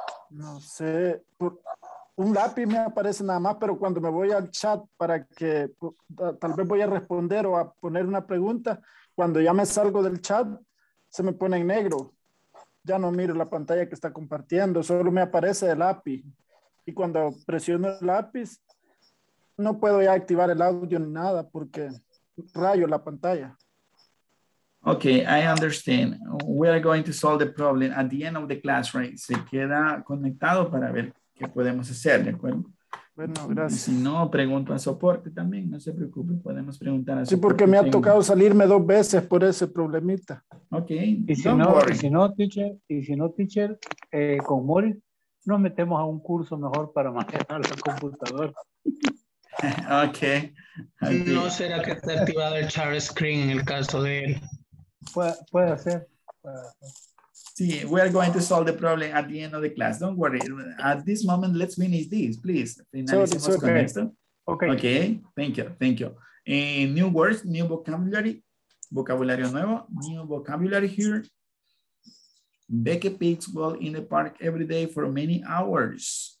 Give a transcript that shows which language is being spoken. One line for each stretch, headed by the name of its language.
Spanish: No sé, un lápiz me aparece nada más, pero cuando me voy al chat para que tal vez voy a responder o a poner una pregunta, cuando ya me salgo del chat, se me pone en negro. Ya no miro la pantalla que está compartiendo, solo me aparece el lápiz. Y cuando presiono el lápiz, no puedo ya activar el audio ni nada porque rayo la pantalla.
English: Okay, I understand. We are going to solve the problem at the end of the class, right?
Spanish: Se queda conectado para ver qué podemos hacer, ¿de acuerdo? Bueno, gracias. Si no, pregunto a soporte también, no se preocupe, podemos preguntar a soporte. Sí, porque me ha tocado salirme dos veces por ese problemita.
English: Okay.
Spanish: Y si no, teacher, con Mori nos metemos a un curso mejor para manejar la computadora.
English: Okay.
Spanish: ¿No será que está activado el share screen en el caso de él? Puede hacer.
English: Sí, we are going to solve the problem at the end of the class. Don't worry. At this moment, let's finish this, please. Okay. Okay, thank you, thank you. New words, new vocabulary.
Spanish: Vocabulario nuevo,
English: new vocabulary here. Becky Pigs walk in the park every day for many hours.